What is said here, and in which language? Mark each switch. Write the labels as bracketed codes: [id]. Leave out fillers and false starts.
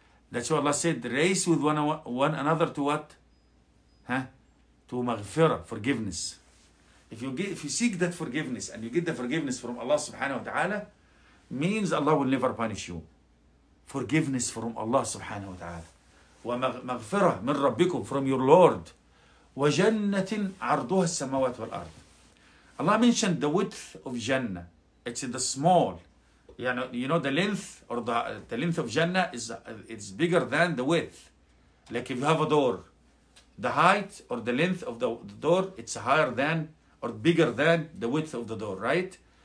[en] That's why Allah said, race with one another to what? Huh? To maghfira, forgiveness. If you seek that forgiveness and you get the forgiveness from Allah subhanahu wa ta'ala, means Allah will never punish you. Forgiveness from Allah subhanahu wa ta'ala. [ar] ومغفرة من ربكم, [en] from your Lord. [ar] وجنة عرضها السماوات والأرض. [en] Allah mentioned the width of Jannah. It's the small. You know the length, or the length of Jannah is bigger than the width. Like if you have a door, the height or the length of the door, it's higher than or bigger than the width of the door, right?